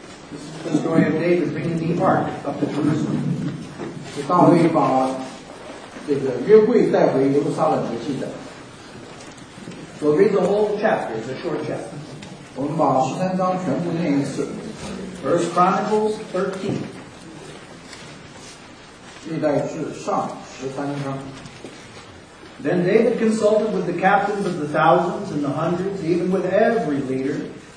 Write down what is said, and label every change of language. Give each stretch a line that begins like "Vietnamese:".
English: This is the story of David bringing the ark up to Jerusalem.
Chinese: 大卫把这个约柜带回耶路撒冷的记载。
English: We'll read the whole chapter, it's a short chapter.
Chinese: 我们把13章全部念一次。
English: First Chronicles 13.
Chinese: 历代志上13章。
English: Then David consulted with the captains of the thousands and the hundreds, even with every leader.